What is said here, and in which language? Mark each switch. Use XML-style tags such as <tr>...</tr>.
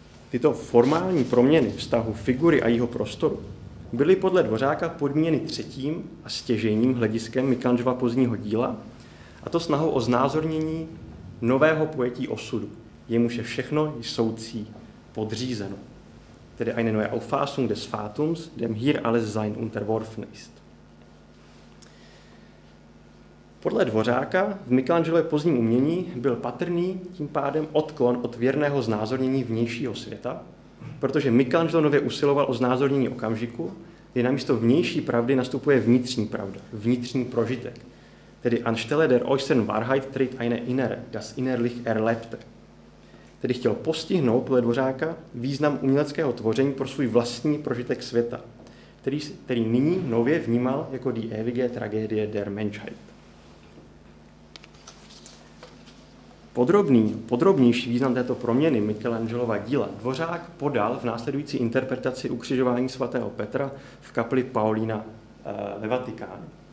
<cs>Tyto formální proměny vztahu figury a jeho prostoru byly podle Dvořáka podmíněny třetím a stěžejním hlediskem Michelangela pozdního díla, a to snahou o znázornění nového pojetí osudu, jemuž je všechno jsoucí podřízeno. Tedy</cs> <de>eine neue Auffassung des Fatums, dem hier alles sein unterworfen ist.</de> <cs>Podle Dvořáka v Michelangelově pozdním umění byl patrný tím pádem odklon od věrného znázornění vnějšího světa, protože Michelangelo nově usiloval o znázornění okamžiku, kdy namísto vnější pravdy nastupuje vnitřní pravda, vnitřní prožitek. Tedy</cs> <de>anstelle der äußeren Wahrheit tritt eine innere, das innerlich erlebte.</de> <cs>Tedy chtěl postihnout podle Dvořáka význam uměleckého tvoření pro svůj vlastní prožitek světa, který nyní nově vnímal jako</cs> <de>die ewige tragedie der Menschheit.</de> <cs>Podrobnější význam této proměny Michelangelova díla Dvořák podal v následující interpretaci ukřižování svatého Petra v kapli Paulína ve Vatikánu.</cs>